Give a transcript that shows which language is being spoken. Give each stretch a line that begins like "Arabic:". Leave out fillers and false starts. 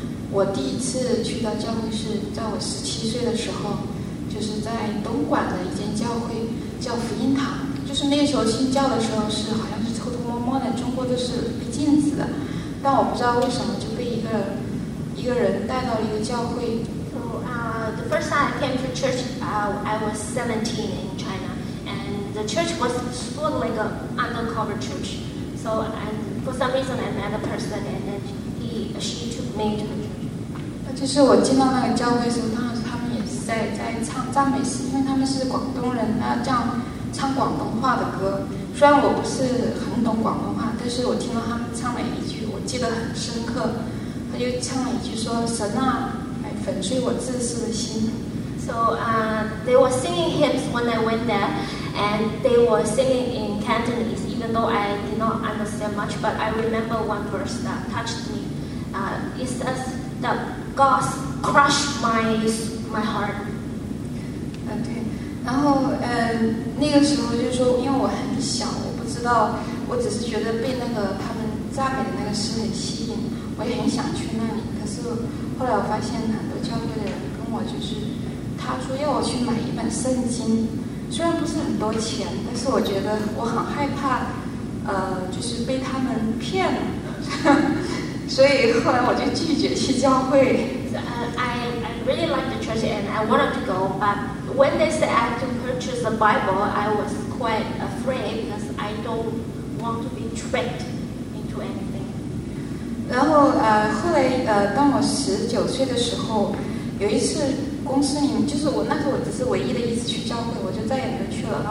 Chinese: 我第一次去到教会是在我十七岁的时候，就是在东莞的一间教会叫福音堂。就是那个时候信教的时候是好像是偷偷摸摸的，中国都是被禁止的，但我不知道为什么就被一个人带到了一个教会。
English: So, the first time I came to church, I was 17 in China, and the church was sort of like an undercover church. So, and for some reason, I met a person, and then she took me to.
Chinese: 就是我进到那个教会的时候，当时他们也是在唱赞美诗，因为他们是广东人，那这样唱广东话的歌。虽然我不是很懂广东话，但是我听到他们唱了一句，我记得很深刻。他就唱了一句说：“神啊，来粉碎我自私的心。”
English: So, they were singing hymns when I went there, and they were singing in Cantonese. Even though I did not understand much, but I remember one verse that touched me. It says that. God crushed my heart.
Chinese: 对，然后那个时候就是说，因为我很小，我不知道，我只是觉得被那个他们赞美的那个诗很吸引，我也很想去那里。可是后来我发现很多教会的人跟我就是，他说要我去买一本圣经，虽然不是很多钱，但是我觉得我很害怕，就是被他们骗了。所以后来我就拒绝去教会。
English: I really like the church and I wanted to go, but when they said I had to purchase the Bible, I was quite afraid because I don't want to be tricked into anything.
Chinese: 然后后来当我十九岁的时候，有一次公司里，就是我那时候我只是唯一的一次去教会，我就再也没有去了。